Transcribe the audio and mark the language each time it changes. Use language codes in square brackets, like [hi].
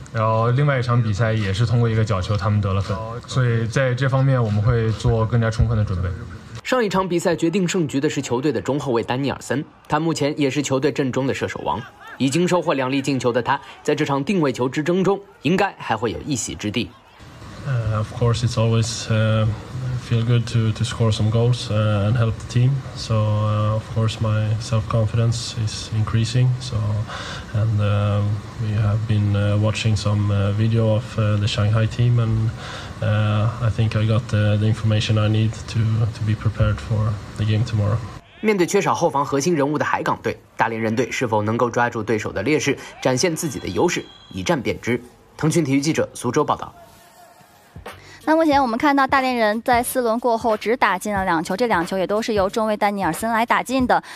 [zh] 然后另外一场比赛也是通过一个角球他们得了分，所以在这方面我们会做更加充分的准备。上一场比赛决定胜局的是球队的中后卫丹尼尔森，他目前也是球队阵中的射手王。已经收获两粒进球的他，在这场定位球之争中应该还会有一席之地。 [en] Of course, it's always feel good to score some goals and help the team. So, of course, my self-confidence is increasing. So, and we have been watching some video of the Shanghai team, and I think I got the information I need to be prepared for the game tomorrow. [zh] 面对缺少后防核心人物的海港队，大连人队是否能够抓住对手的劣势，展现自己的优势，一战便知？腾讯体育记者苏州报道。那目前我们看到大连人在四轮过后只打进了两球，这两球也都是由中卫丹尼尔森来打进的。